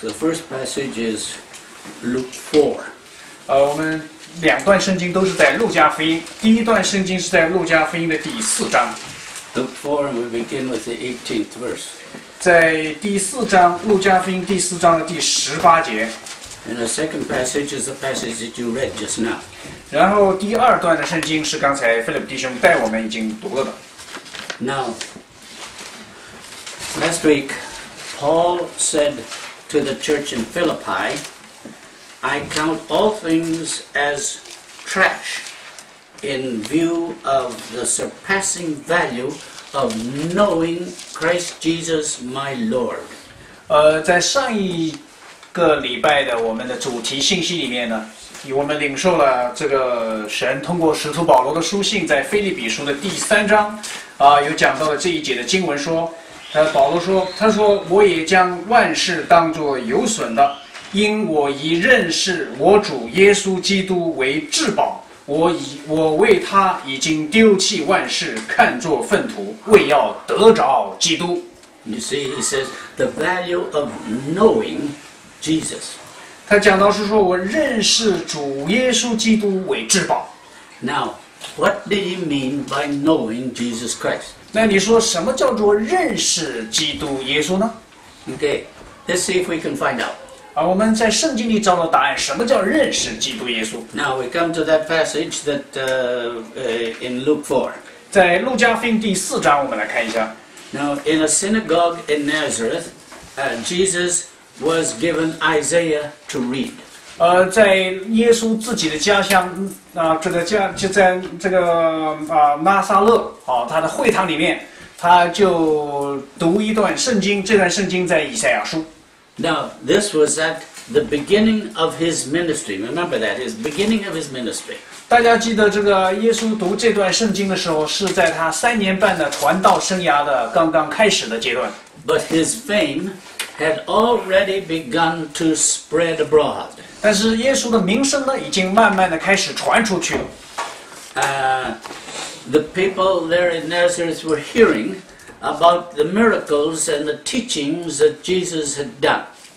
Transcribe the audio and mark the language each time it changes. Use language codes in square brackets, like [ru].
[en] The first passage is Luke 4. [zh] 我们两段圣经都是在路加福音。第一段圣经是在路加福音的第四章。 [en] Luke 4, we begin with the 18th verse. [zh] 在第四章，路加福音第四章的第十八节。 [en] And the second passage is the passage that you read just now. [zh] 然后第二段的圣经是刚才菲利普弟兄带我们已经读了的。 [en] Now, last week, Paul said to the church in Philippi, I count all things as trash in view of the surpassing value of knowing Christ Jesus my Lord. [zh] 在上一个礼拜的我们的主题信息里面呢，我们领受了这个神通过使徒保罗的书信，在腓立比书的第三章，有讲到了这一节的经文，说，保罗说，他说，我也将万事当作有损的，因我已认识我主耶稣基督为至宝，我为他已经丢弃万事，看作粪土，为要得着基督。 [en] You see, he says the value of knowing. Jesus. [zh] 他讲到是说我认识主耶稣基督为至宝。 [en] Now, what do you mean by knowing Jesus Christ? [zh] 那你说什么叫做认识基督耶稣呢？ [en] Okay, let's see if we can find out. [zh] 我们在圣经里找到答案，什么叫认识基督耶稣？ [en] Now we come to that passage that, in Luke 4. [zh] 在路加福音第四章我们来看一下。 [en] Now, in a synagogue in Nazareth, Jesus... was given Isaiah to read. [zh] 在耶稣自己的家乡啊、这个家就在这个啊、拉撒勒啊、他的会堂里面，他就读一段圣经。这段圣经在以赛亚书。 [en] Now this was at the beginning of his ministry. Remember that his beginning of his ministry. [zh] 大家记得这个耶稣读这段圣经的时候，是在他三年半的传道生涯的刚刚开始的阶段。 [en] But his fame. Had already begun to spread abroad. [zh] 但是耶稣的名声呢，已经慢慢的开始传出去了。 [en] The people there in Nazareth were hearing about the miracles and the teachings that Jesus had done.